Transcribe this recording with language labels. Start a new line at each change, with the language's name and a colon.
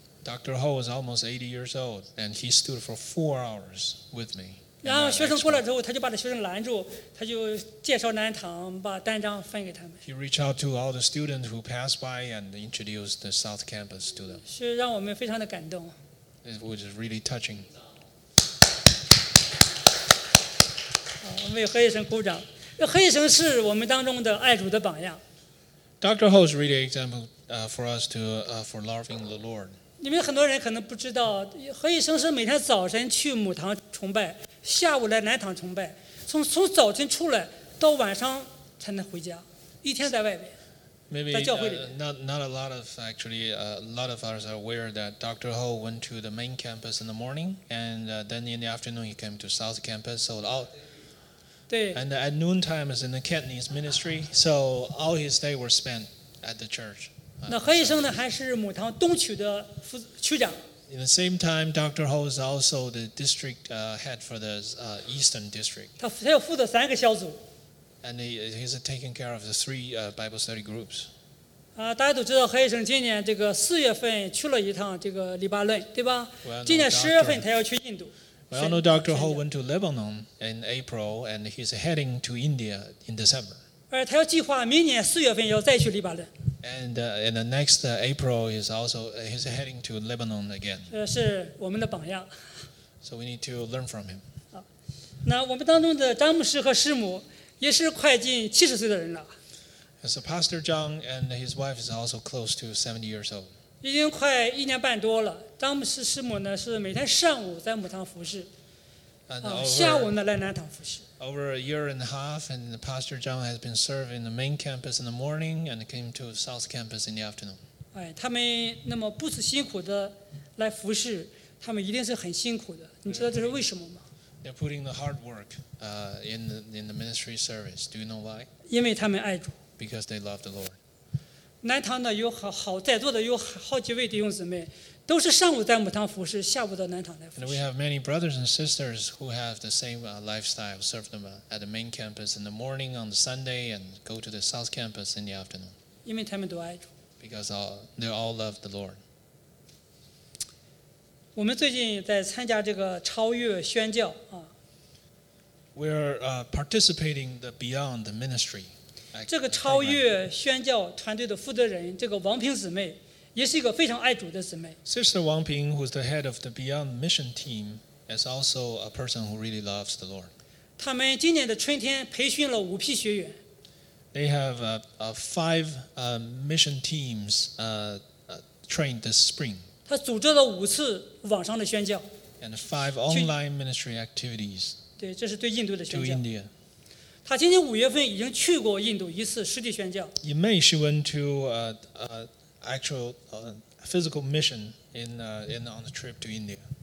English: Dr. Ho was almost 80 years old, and he stood for 4 hours with me.
Chinese: 然后学生过来之后，他就把学生拦住，他就介绍南堂，把单张分给他们。
English: He reached out to all the students who passed by and introduced the South Campus to them.
Chinese: 是让我们非常的感动。
English: It was really touching.
Chinese: 我们为何医生鼓掌。何医生是我们当中的爱主的榜样。
English: Dr. Ho is really an example for us to for loving the Lord.
Chinese: 你们很多人可能不知道，何医生是每天早晨去母堂崇拜，下午来南堂崇拜，从早晨出来到晚上才能回家，一天在外边，
English: Maybe,
Chinese: 在教会里。
English: Not a lot of actually, a lot of us are aware that Dr. Ho went to the main campus in the morning, and then in the afternoon he came to South Campus. So all,
Chinese: 对
English: and at noon time is in the Cantonese ministry, so all his day were spent at the church.
Chinese: 那何医生呢？还是母堂东区的副区长。
English: In the same time, Dr. Ho is also the district head for the eastern district.
Chinese: 他要负责三个小组。
English: And he's taking care of the three Bible study groups.
Chinese: 大家都知道何医生今年这个四月份去了一趟这个黎巴嫩，对吧？
English: Well, no,
Chinese: 今年十月份他要去印度。
English: Well, no, Dr. Ho went to Lebanon in April, and he's heading to India in December.
Chinese: 而他要计划明年四月份要再去黎巴嫩。
English: And in the next April, he's heading to Lebanon again.
Chinese: 是我们的榜样。
English: So we need to learn from him.
Chinese: 那我们当中的詹姆斯和师母也是快近70岁的人了。
English: So Pastor John and his wife is also close to 70 years old.
Chinese: 已经快一年半多了。詹姆斯师母呢是每天上午在母堂服侍，下午呢来南堂服侍。
English: Over a year and a half, and Pastor John has been serving the main campus in the morning and came to South Campus in the afternoon.
Chinese: 哎，他们那么不辞辛苦的来服侍，他们一定是很辛苦的。你知道这是为什么吗？
English: They're putting the hard work in the ministry service. Do you know why?
Chinese: 因为他们爱主。
English: Because they love the Lord.
Chinese: 南堂呢有好在座的有好几位弟兄姊妹，都是上午在母堂服侍，下午到南堂来服侍。
English: And we have many brothers and sisters who have the same lifestyle, serve them at the main campus in the morning on the Sunday and go to the south campus in the afternoon.
Chinese: 因为他们都爱主。
English: Because they all love the Lord.
Chinese: 我们最近在参加这个超越宣教啊。
English: We're participating the Beyond the Ministry.
Chinese: 这个超越宣教团队的负责人，这个王平姊妹。也是一个非常爱主的姊妹。
English: Sister Wang Ping, who's the head of the Beyond Mission Team, is also a person who really loves the Lord.
Chinese: 他们今年的春天培训了五批学员。
English: They have five mission teams trained this spring.
Chinese: 他组织了五次网上的宣教。
English: And five online ministry activities.
Chinese: 对，这是对印度的宣教。
English: To India.
Chinese: 他今年五月份已经去过印度一次实地宣教。
English: In May, she went to actual physical mission in on the trip to India.